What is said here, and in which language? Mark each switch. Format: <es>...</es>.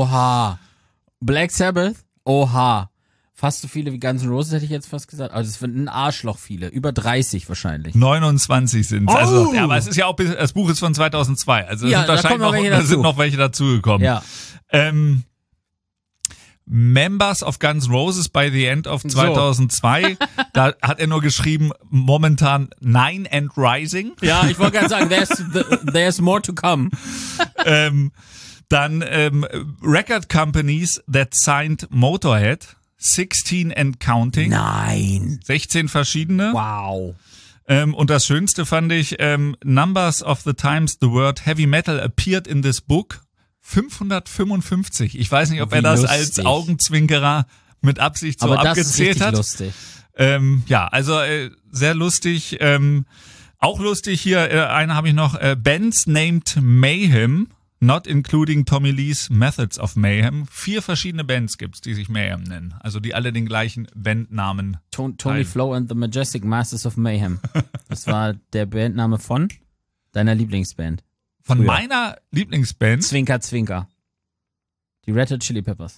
<de>Oha. Black Sabbath? Oha. Fast so viele wie Guns N' Roses, hätte ich jetzt fast gesagt. Also es sind ein Arschloch viele. Über 30 wahrscheinlich. 29 sind es. Oh. Also, ja, aber es ist ja auch, das Buch ist von 2002. Also es sind wahrscheinlich noch welche dazugekommen. Ja.</de> <en>Members of Guns N' Roses by the end of 2002, so.</en> <de>Da hat er nur geschrieben, momentan 9</de> <en>and rising.</en> <de>Ja, ich wollte gerade sagen,</de> <en>there's more to come. Record companies that signed Motorhead, 16 and counting.</en> <de>Nein. 16 verschiedene. Wow. Und das Schönste fand ich,</de> <en>numbers of the times the word heavy metal appeared in this book.</en> <de>555. Ich weiß nicht, ob er das als Augenzwinkerer mit Absicht so abgezählt hat. Aber das ist richtig lustig. Sehr lustig. Auch lustig hier, einen habe ich noch.</de> <en>Bands named Mayhem, not including Tommy Lee's Methods of Mayhem.</en> <de>4 verschiedene Bands gibt's, die sich Mayhem nennen. Also die alle den gleichen Bandnamen haben. Tony Flo and the Majestic Masters of Mayhem. Das war der Bandname von deiner Lieblingsband. Von meiner Lieblingsband? Zwinker, Zwinker. Die Red Hot Chili Peppers.</de>